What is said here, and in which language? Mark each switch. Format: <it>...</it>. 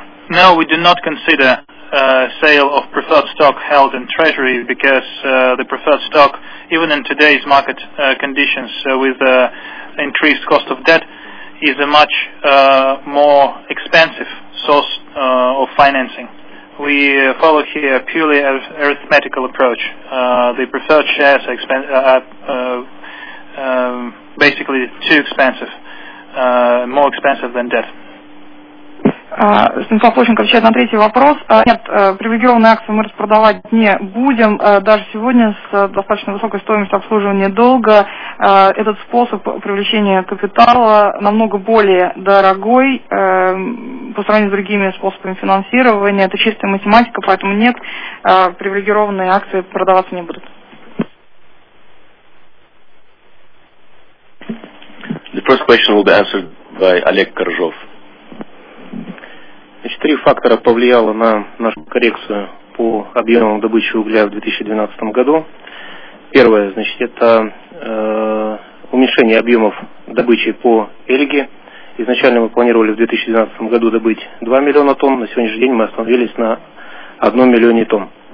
<en>No, we do not consider sale of preferred stock held in Treasury, because the preferred stock, even in today's market conditions with increased cost of debt, is a much more expensive source of financing. We follow here a purely arithmetical approach. The preferred shares are basically too expensive, more expensive than debt.</en> <ru>Станислав Площенко отвечает на третий вопрос. Нет, привилегированные акции мы распродавать не будем. Даже сегодня с достаточно высокой стоимостью обслуживания долга этот способ привлечения капитала намного более дорогой по сравнению с другими способами финансирования. Это чистая математика, поэтому нет, привилегированные акции продаваться не будут.</ru> <en>The first question will be answered by Oleg Kozlov.</en> <ru>Значит, три фактора повлияло на нашу коррекцию по объемам добычи угля в 2012 году. Первое, значит, это уменьшение объемов добычи по Эльге. Изначально мы планировали в 2012 году добыть 2 миллиона тонн, на сегодняшний день мы остановились на 1 миллионе тонн.</ru>